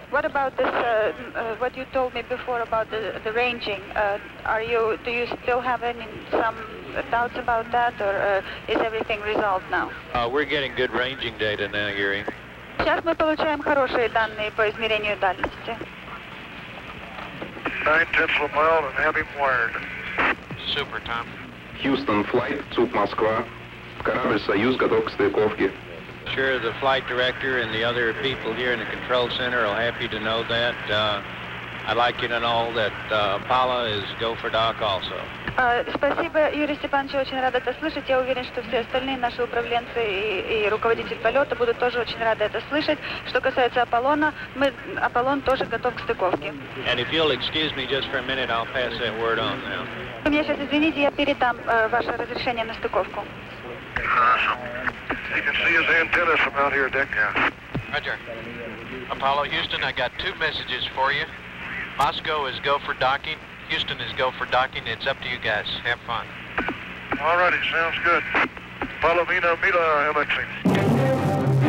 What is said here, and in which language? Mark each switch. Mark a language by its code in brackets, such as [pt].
[en] What about this, what you told me before about the ranging? Do you still have some doubts about that, or is everything resolved now? We're getting good ranging data now, Yuri. [ru] Сейчас мы получаем хорошие данные по измерению дальности. [en] 9 tenths of a mile and heavy wired. Super, Tom. Houston flight, ЦУП Москва. [ru] Корабль «Союз» готов к стыковке. [en] Sure, the flight director and the other people here in the control center are happy to know that. I'd like you to know that Paula is go for dock also. [ru] Спасибо, Юрий Степанович, очень рада это слышать. Я уверен, что все остальные наши управленцы и руководитель полета будут тоже очень рады это слышать. Что касается Аполлона, Аполлон тоже готов к стыковке. [en] And if you'll excuse me just for a minute, I'll pass that word on now. [ru] Вы меня сейчас извините, я передам ваше разрешение на стыковку. Хорошо. [en] You can see his antennas from out here, Dick. Yeah. Roger. Apollo Houston, I got two messages for you. Moscow is go for docking. Houston is go for docking. It's up to you guys. Have fun. All righty. Sounds good. Apollo Mina Mila Alexi.